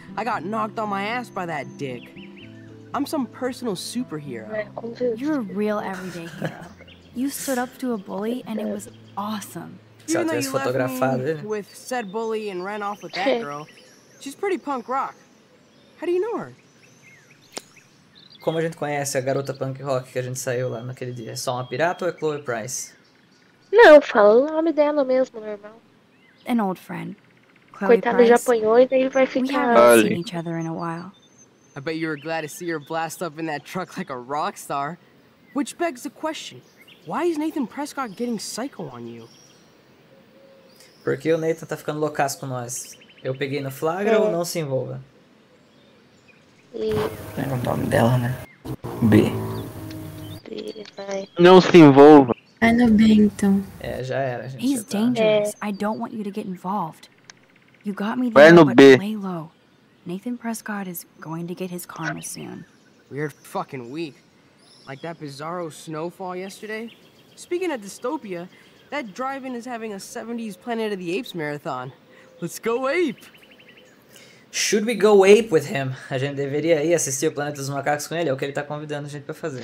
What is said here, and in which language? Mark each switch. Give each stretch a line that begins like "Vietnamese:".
English: I got knocked on my ass by that dick. I'm some personal superhero. You're a real everyday hero. You stood up to a bully and it was awesome. Even though you left me with said bully and ran off with that girl, she's pretty punk rock. How do you know her?
Portuguese: Como a gente conhece a garota punk rock que a gente saiu lá naquele dia? É só uma pirata ou é Chloe Price? Não, fala o nome dela mesmo, meu irmão.
English: An old friend.
Portuguese: Chloe coitado Price. Já apanhou e daí vai ficar.
English: We haven't seen each other in a while. I bet you were glad to see her blast up in that truck like a rock star. Which begs the question, why is Nathan Prescott getting psycho on you?
Portuguese: Porque o Nathan tá ficando loucaço com nós. Eu peguei no flagra ou não se envolva? É o nome dela, né? B. Não se envolva. Vai no B, então. É, já era, gente.
English: He's dangerous. I don't want you to get involved. You got me there, but lay low. Nathan Prescott is going to get his karma soon. Weird fucking week. Like that bizarro snowfall yesterday? Speaking of dystopia, that drive-in is having a 70s Planet of the Apes marathon. Let's go ape! Should we go ape with him?
Portuguese: A gente deveria ir assistir o Planeta dos Macacos com ele? É o que ele tá convidando a gente pra fazer.